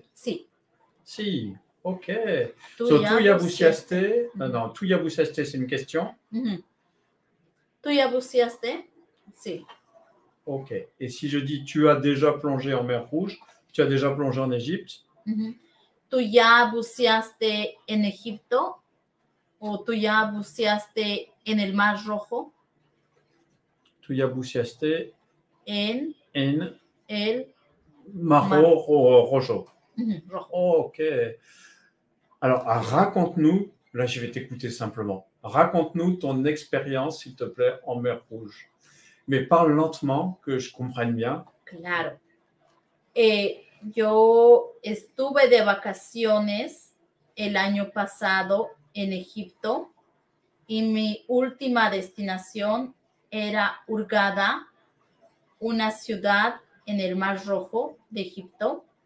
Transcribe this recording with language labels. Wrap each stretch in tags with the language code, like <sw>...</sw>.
<es>Si. Si. Ok. Tú ya buceaste. Non. Tú ya buceaste,</es> <fr>c'est une question.</fr> <es>Tú ya buceaste. Si.</es> <fr>Ok. Et si je dis tu as déjà plongé en mer Rouge, tu as déjà plongé en Égypte.</fr> <es>Tú ya buceaste en Egipto. O tú ya buceaste en el Mar Rojo. Tú ya buceaste en. En. El. Mar Rojo. Ok.</es> <fr>Alors, raconte-nous, là je vais t'écouter simplement, raconte-nous ton expérience, s'il te plaît, en mer Rouge. Mais parle lentement, que je comprenne bien.</fr> <es>Claro. Yo estuve de vacaciones el año pasado en Egipto y mi última destinación era Hurghada, una ciudad en el Mar Rojo de Egipto.</es>